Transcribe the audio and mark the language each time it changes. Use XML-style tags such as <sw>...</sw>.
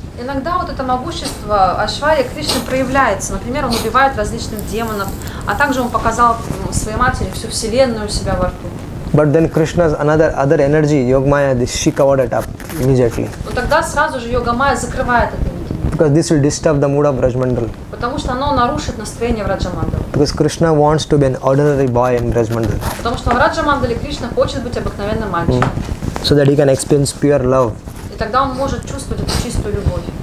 <ru>Иногда вот это могущество Айшварьи Кришны проявляется. Например, он убивает различных демонов, а также он показал своей матери всю вселенную у себя во рту.</ru> <en>But then Krishna's other energy, Yoga Maya, she covered it up immediately.</en> <ru>Но тогда сразу же Йога Майя закрывает это.</ru> <en>Because this will disturb the mood of Brajmandal.</en> <ru>Потому что оно нарушит настроение в Раджамандале.</ru> <en>Because Krishna wants to be an ordinary boy in Brajmandal.</en> <ru>Потому что в Раджамандале Кришна хочет быть обыкновенным мальчиком.</ru> <en>So that he can experience pure love.</en> <ru>И тогда он может чувствовать эту чистую любовь.</ru>